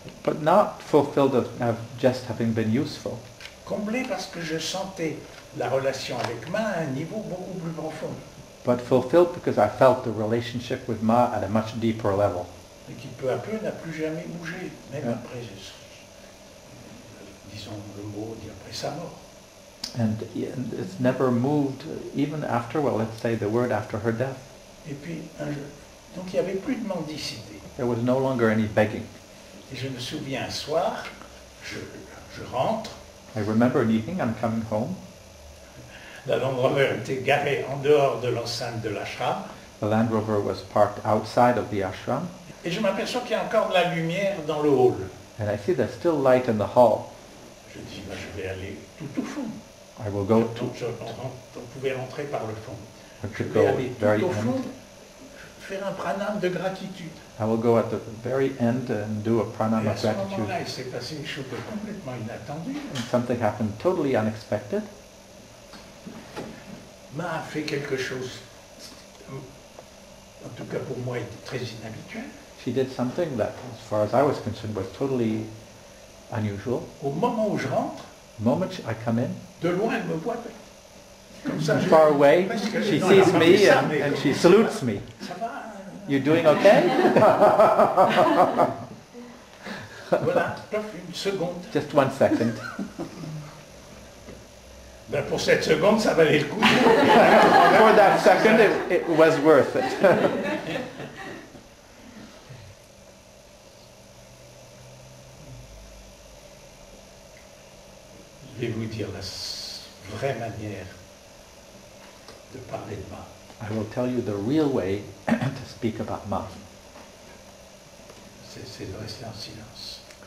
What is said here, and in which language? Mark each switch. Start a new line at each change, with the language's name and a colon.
English: But not fulfilled of just having been useful.
French: Comblé parce que je sentais la relation avec Ma à un niveau beaucoup plus profond.
English: But fulfilled because I felt the relationship with Ma at a much deeper level.
French: Et qui peu à peu n'a plus jamais bougé, même yeah. après, disons le mot, dit après sa mort.
English: And it's never moved, even after, well, let's say the word after her death.
French: Et puis, donc il n'y avait plus de mendicité.
English: There was no longer any begging.
French: Et je me souviens un soir, je rentre.
English: I remember an evening, I'm coming home.
French: La Land Rover était garée en dehors de l'enceinte de l'ashram.
English: The Land Rover was parked outside of the ashram.
French: Et je m'aperçois qu'il y a encore de la lumière dans le hall.
English: And I see there's still light in the hall.
French: Je dis, ben, je vais aller tout au fond.
English: I will go
French: on pouvait rentrer par le fond.
English: I
French: je vais aller
English: very
French: tout au fond,
English: end.
French: Faire un pranam de gratitude.
English: I will go at the very end and do a pranam of gratitude.
French: Et à ce moment-là, il s'est passé une chose complètement inattendue.
English: And something happened totally unexpected.
French: Ma a fait quelque chose, en tout cas pour moi, très inhabituel.
English: She did something that, as far as I was concerned, was totally unusual.
French: Au moment où je rentre,
English: the moment I come in,
French: de loin elle me voit. Comme ça,
English: far away, she sees me and she salutes me.
French: Ça va?
English: You're doing okay?
French: Voilà, paf, une seconde.
English: Just one second.
French: Ben pour cette seconde, ça valait le coup.
English: For that second, it was worth it.
French: Je vais vous dire la vraie manière de parler de Ma.
English: I will tell you the real way to speak about Ma.
French: C'est de rester en silence.